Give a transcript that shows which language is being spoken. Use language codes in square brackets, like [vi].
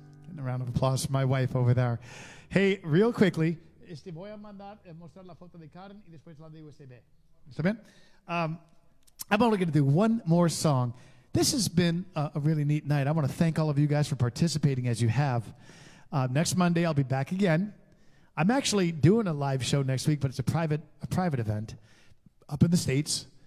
[en] And a round of applause for my wife over there. Hey, real quickly. [es] Voy a mandar a mostrar la foto de Karen y después la de USB. ¿Está bien? [en] I'm only going to do one more song. This has been a really neat night. I want to thank all of you guys for participating as you have. Next Monday, I'll be back again. I'm actually doing a live show next week, but it's a private event up in the States.